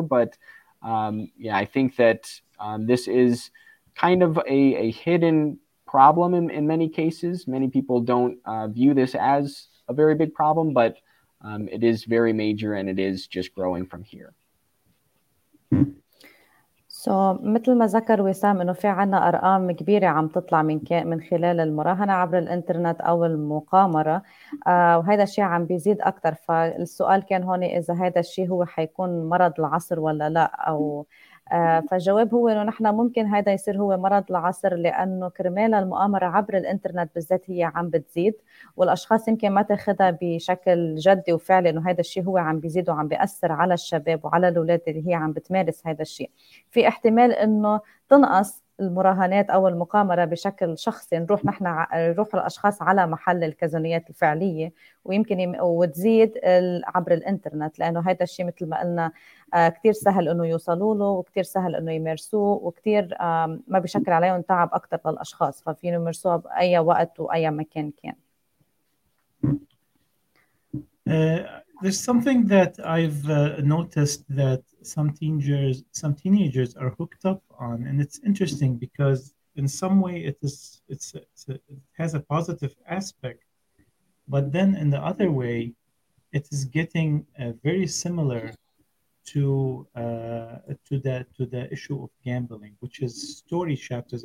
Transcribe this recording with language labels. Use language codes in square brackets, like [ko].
[en] But yeah, I think that this is kind of a hidden problem in many cases. Many people don't view this as a very big problem, but it is very major, and it is just growing from here. So, [ar] مثل ما ذكر وسام إنه في عنا أرقام كبيرة عم تطلع من خلال المراهنة عبر الإنترنت أو المقامرة وهذا الشيء عم بيزيد أكتر. فالسؤال كان هون إذا هذا الشيء هو حيكون مرض العصر ولا لا أو فالجواب هو إنه نحنا ممكن هذا يصير هو مرض العصر لأنه كرمال المؤامرة عبر الإنترنت بالذات هي عم بتزيد والأشخاص يمكن ما تأخذها بشكل جدي وفعلي إنه هذا الشيء هو عم بيزيد وعم بيأثر على الشباب وعلى الأولاد اللي هي عم بتمارس هذا الشيء. في احتمال إنه تنقص المراهنات أو المقامرة بشكل شخصي نروح نحنا نروح الأشخاص على محل الكازينوات الفعلية ويمكن وتزيد عبر الإنترنت لأنه هذا الشيء مثل ما قلنا كتير سهل إنه يوصلوا له وكتير سهل إنه يمارسوه وكتير ما بيشكل عليهم تعب أكتر للأشخاص ففيهم يمارسوه بأي وقت وأي مكان كان. [en] There's something that I've noticed that some teenagers are hooked up on, and it's interesting because in some way it has a positive aspect, but then in the other way, it is getting very similar to the issue of gambling, which is story chapters.